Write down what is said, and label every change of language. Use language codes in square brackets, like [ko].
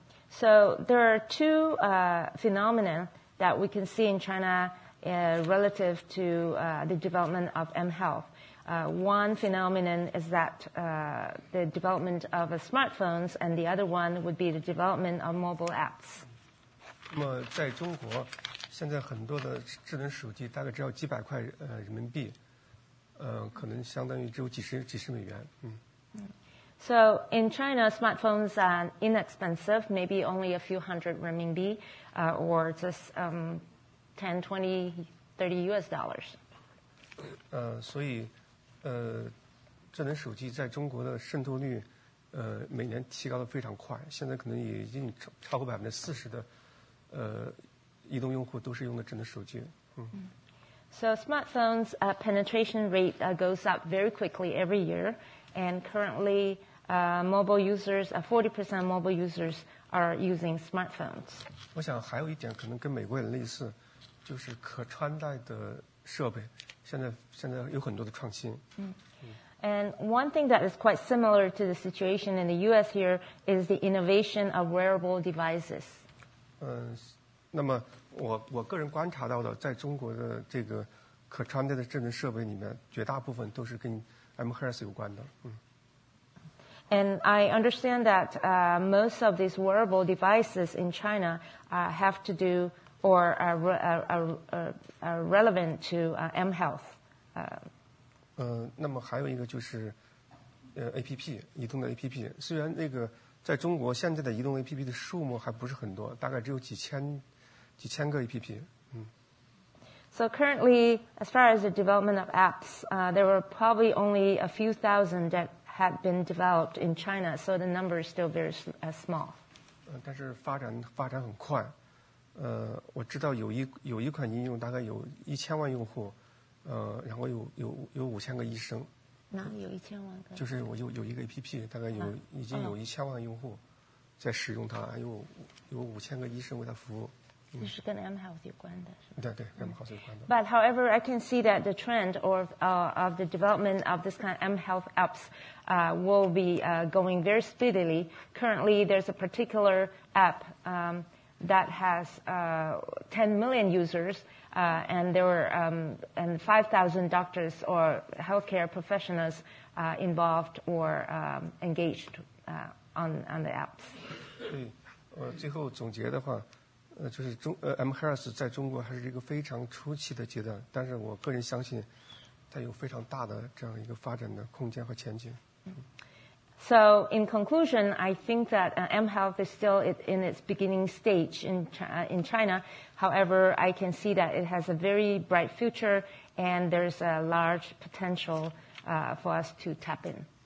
[en] So there are two phenomena that we can see in China relative to the development of mHealth. One phenomenon is that the development of smartphones, and the other one would be the development of mobile apps. [zh] 那么在中国，现在很多的智能手机大概只要几百块人民币，可能相当于只有几十美元， [en] So in China, smartphones are inexpensive, maybe only a few hundred renminbi, or just 10, 20, 30 US dollars. [zh] 所以智能手机在中国的渗透率每年提高得非常快，现在可能已经超过40%的移动用户都是用的智能手机。 [en] So smartphones penetration rate goes up very quickly every year, and currently mobile users, 40% of mobile users are using smartphones. [zh] 我想还有一点可能跟美国人类似，就是可穿戴的设备，现在有很多的创新。 [en] And one thing that is quite similar to the situation in the U.S. here is the innovation of wearable devices. [zh] 那么我个人观察到的，在中国的这个可穿戴的智能设备里面，绝大部分都是跟 mHealth 有关的。 [en] And I understand that most of these wearable devices in China have to do or are relevant to mHealth. [zh] 那么还有一个就是APP 移动的 APP， 虽然那个在中国现在的移动 APP 的数目还不是很多，大概只有几千个 APP。 [en] So currently, as far as the development of apps, there were probably only a few thousand that had been developed in China, so the number is still very small. [zh] 但是发展很快。我知道有一款应用大概有1000万用户，然后有5000个医生。哪有1000万个？就是我有一个 APP， 大概已经有1000万用户在使用它，还有5000个医生为它服务。就是跟 mHealth 有关的，是吧？对，跟 mHealth 有关的。 [en] But however, I can see that the trend of the development of this kind of mHealth apps will be going very speedily. Currently, there's a particular app that has 10 million users, and there were 5,000 doctors or healthcare professionals involved or engaged on the apps. [zh] 对，最后总结的话。就是中mHealth 在中国还是一个非常初期的阶段，但是我个人相信，它有非常大的这样一个发展的空间和前景。 [en] So in conclusion, I think that mHealth is still in its beginning stage in China. However, I can see that it has a very bright future, and there's a large potential for us to tap in.